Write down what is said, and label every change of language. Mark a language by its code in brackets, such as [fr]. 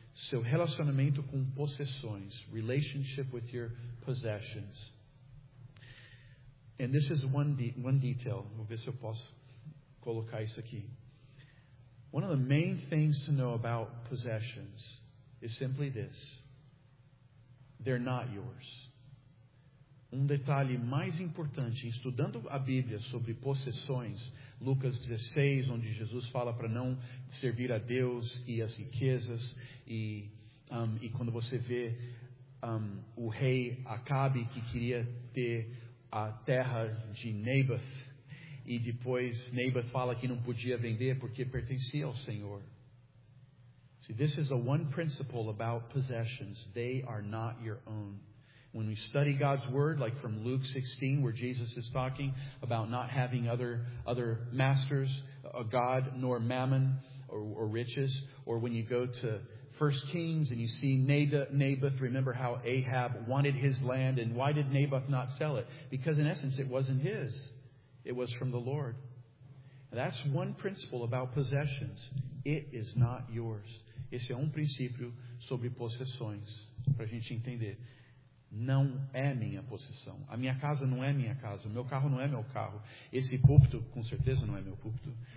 [pt] Seu relacionamento com possessões, [en] relationship with your possessions. And this is one detail, [pt] vou ver se eu posso colocar isso aqui. [en] One of the main things to know about possessions is simply this: they're not yours. [pt] Um detalhe mais importante, estudando a Bíblia sobre possessões, Lucas 16, onde Jesus fala para não servir a Deus e as riquezas, e quando você vê o rei Acabe, que queria ter a terra de Naboth, e depois Naboth fala que não podia vender porque pertencia ao Senhor. [en] See, this is a one principle about possessions. They are not your own. When we study God's word, like from Luke 16, where Jesus is talking about not having other masters, a god nor mammon or riches, or when you go to 1 Kings and you see Naboth, remember how Ahab wanted his land, and why did Naboth not sell it? Because in essence, it wasn't his. It was from the Lord. And that's one principle about possessions. It is not yours. [pt] Esse é princípio sobre possessões, para a gente entender. Não é minha possessão. A minha casa não é minha casa. O meu carro não é meu carro. Esse púlpito, com certeza, não é meu púlpito.